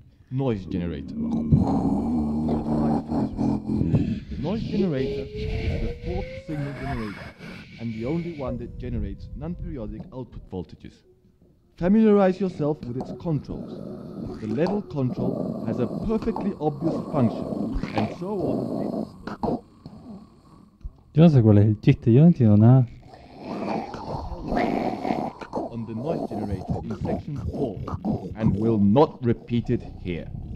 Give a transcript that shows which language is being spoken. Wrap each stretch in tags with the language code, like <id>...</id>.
<en>Noise generator. The noise generator is the fourth signal generator and the only one that generates non-periodic output voltages. Familiarize yourself with its controls. The level control has a perfectly obvious function, and so on.</en> <es>Yo no sé cuál es el chiste, yo no entiendo nada.</es> <en>On the noise generator in section 4, and will not repeat it here.</en>